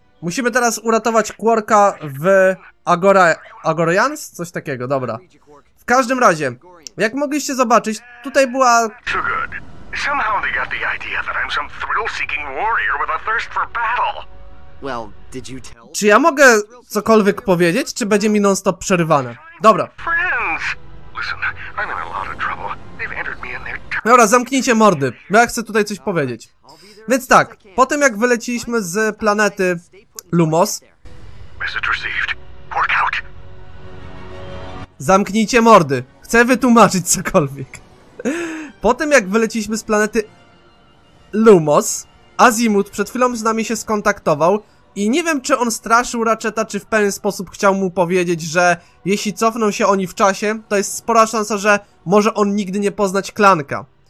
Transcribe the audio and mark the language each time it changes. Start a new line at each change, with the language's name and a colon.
Polish: Musimy teraz uratować Quarka w Agora... Agorians? Coś takiego, dobra. W każdym razie, jak mogliście zobaczyć, tutaj była...
English: Too good. Somehow they got the idea that I'm some thrill-seeking warrior with a thirst for battle. Well, did you tell...
Polish: Czy ja mogę cokolwiek powiedzieć, czy będzie mi non-stop przerywane? Dobra.
English: Friends! Listen, I'm in a lot of trouble. They've entered me in their...
Polish: Dobra, zamknijcie mordy, bo ja chcę tutaj coś powiedzieć. Więc tak, po tym jak wyleciliśmy z planety Lumos...
English: Message received. Work out.
Polish: Zamknijcie mordy. Chcę wytłumaczyć cokolwiek. Po tym jak wyleciliśmy z planety Lumos, Azimut przed chwilą z nami się skontaktował i nie wiem, czy on straszył Ratcheta, czy w pewien sposób chciał mu powiedzieć, że jeśli cofną się oni w czasie, to jest spora szansa, że może on nigdy nie poznać Clanka.